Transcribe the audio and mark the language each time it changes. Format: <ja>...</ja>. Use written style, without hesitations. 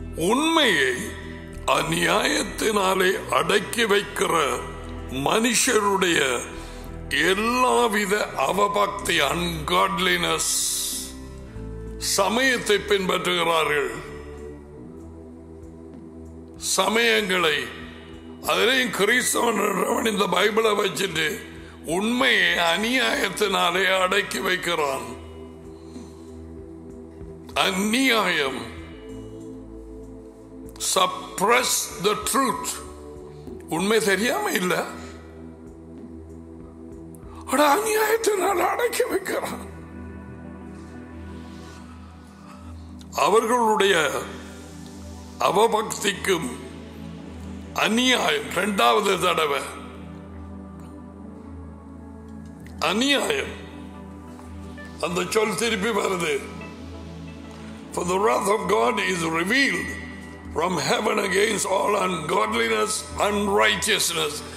<ta>உண்மையை அநியாயத்தினாலே அடக்கி வைக்கிற மனுஷருடைய எல்லாவித அவபக்தி, அன்காட்லினஸ், சமயத்தை பின்பற்றுகிறார்கள். சமயங்களை அதிலையும் கிறிஸ்தவன் இந்த பைபிளை வச்சுட்டு உண்மையை அநியாயத்தினாலே அடக்கி வைக்கிறான்.</ta> <en>அந்நியாயம் suppress the truth.</en> <ta>உண்மை தெரியாம இல்ல, அநியாயத்தினால் அடக்கி வைக்கிறான். அவர்களுடைய அவபக்திக்கும் அநியாயம். இரண்டாவது தடவை அநியாயம், அந்த சொல் திருப்பி வருது.</ta> <en>For the wrath of God is revealed from heaven against all ungodliness, unrighteousness.</en>